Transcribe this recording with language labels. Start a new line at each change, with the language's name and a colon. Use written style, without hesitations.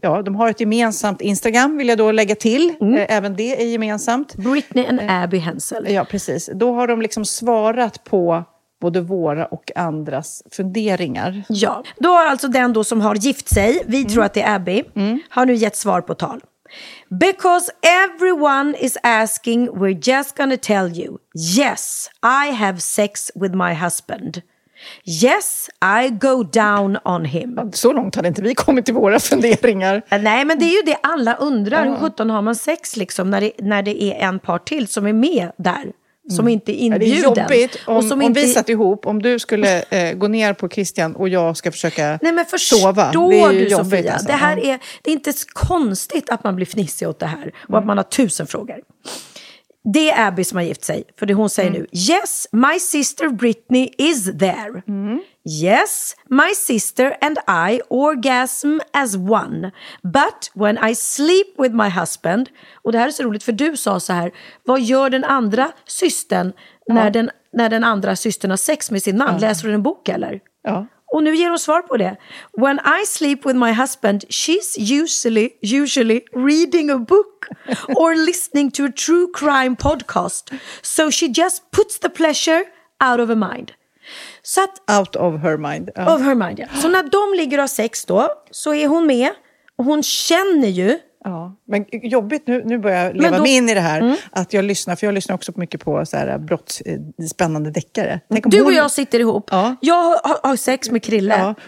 Swedish: Ja, de har ett gemensamt Instagram, vill jag då lägga till. Mm. Även det är gemensamt.
English: Britney and Abby Hensel.
Swedish: Ja, precis. Då har de liksom svarat på både våra och andras funderingar. Ja, då har alltså den då som har gift sig, vi tror att det är Abby, har nu gett svar på tal.
English: Because everyone is asking, we're just gonna tell you. Yes, I have sex with my husband. Yes, I go down on him.
Swedish: Så långt hade inte vi kommit till våra funderingar. Nej, men det är ju det alla undrar. Hur 17 har man sex liksom, när det är en par till som är med där? Som inte är inbjuden. Det är jobbigt om vi satt ihop. Om du skulle gå ner på Christian och jag ska försöka sova. Nej, men förstår du, Sofia? Alltså. Det är inte konstigt att man blir fnissig åt det här. Och att man har 1000 frågor. Det är Abby som har gift sig. För det hon säger nu.
English: Yes, my sister Britney is there. Mm. Yes, my sister and I orgasm as one. But when I sleep with my husband...
Swedish: Och det här är så roligt, för du sa så här... Vad gör den andra systern när den andra systern har sex med sin man? Ja. Läser du en bok, eller? Ja. Och nu ger hon svar på det.
English: When I sleep with my husband, she's usually reading a book or listening to a true crime podcast. So she just puts the pleasure out of her mind.
Swedish: Så att,
English: out of her mind. Of her mind,
Swedish: ja. Så när de ligger och har sex då, så är hon med. Och hon känner ju Ja, men jobbigt nu. Nu börjar jag leva mig in i det här. Mm. Att jag lyssnar, för jag lyssnar också mycket på så här brottsspännande deckare. Du och jag sitter ihop. Ja. Jag har sex med Krille. Ja.